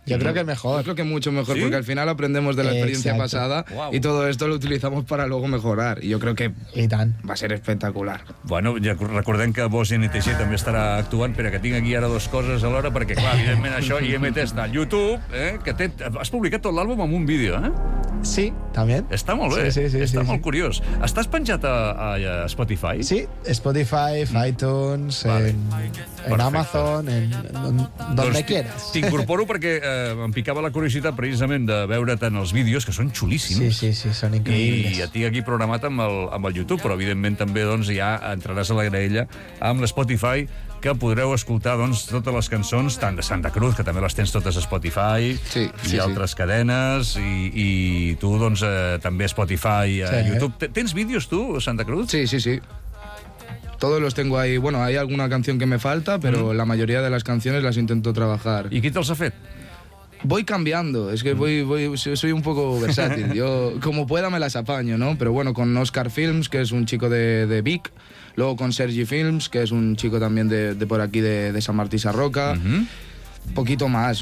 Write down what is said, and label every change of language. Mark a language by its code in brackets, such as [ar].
[es] Yo creo que mucho mejor, ¿sí? Porque al final aprendemos de la experiencia pasada. Wow. Y todo esto lo utilizamos para luego mejorar. Y yo creo que... [ca] I tant. [es] Va a ser espectacular. [ca] Bueno, ja recordem que Vos NTG també estarà actuant, però que tinc aquí ara dos coses alhora, perquè, clar, evidentment, això IMT està al YouTube, que has publicat tot l'àlbum amb un vídeo, Sí, també. Està molt bé. Sí, està molt curiós. Estàs penjat a Spotify? [es] Sí, Spotify, iTunes, en Amazon, donde quieras. [ca] T'incorporo perquè em picava la curiositat precisament de veure't en els vídeos, que són xulíssims. Sí, són increïbles. I et tinc aquí programat amb el YouTube, però evidentment també doncs ja entraràs a la graella amb l'Spotify, que podreu escoltar doncs totes les cançons, tant de Santa Cruz, que també les tens totes a Spotify, sí, i altres cadenes, i tu doncs també a Spotify, a YouTube. Tens vídeos, tu, Santa Cruz? [es] Sí. Todos los tengo ahí. Bueno, hay alguna canción que me falta, pero la mayoría de las canciones las intento trabajar. ¿Y qué tal se hace? Voy cambiando, es que soy un poco versátil. Yo, como pueda, me las apaño, ¿no? Pero bueno, con Oscar Films, que es un chico de Vic. Luego con Sergi Films, que es un chico también de por aquí, de San Martín Sarroca. Poquito más.